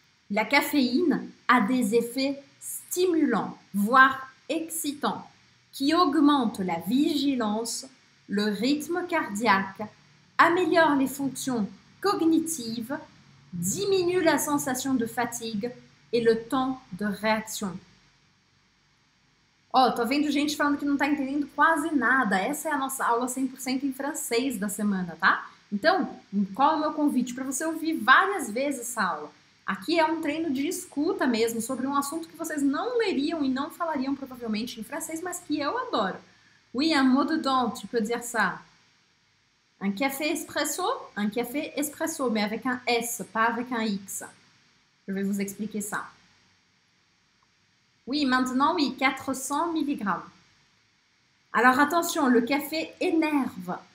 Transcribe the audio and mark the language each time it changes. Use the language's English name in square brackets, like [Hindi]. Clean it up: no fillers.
[French] La caféine a des effets stimulants, voire excitants, qui augmentent la vigilance, le rythme cardiaque, améliorent les fonctions cognitives, diminuent la sensation de fatigue et le temps de réaction. [Portuguese] Ó, tô vendo gente falando que não tá entendendo quase nada. Essa é a nossa aula 100% em francês da semana, tá? Então, qual é o meu convite? Para você ouvir várias vezes essa aula. Aqui é um treino de escuta mesmo, sobre um assunto que vocês não leriam e não falariam provavelmente em francês, mas que eu adoro. [French] Oui, un mot dedans, tu peux dire ça. Un café espresso, mais avec un S, pas avec un X. Je vais vous expliquer ça. Oui, maintenant, oui, 400 mg. Alors attention, le café énerve.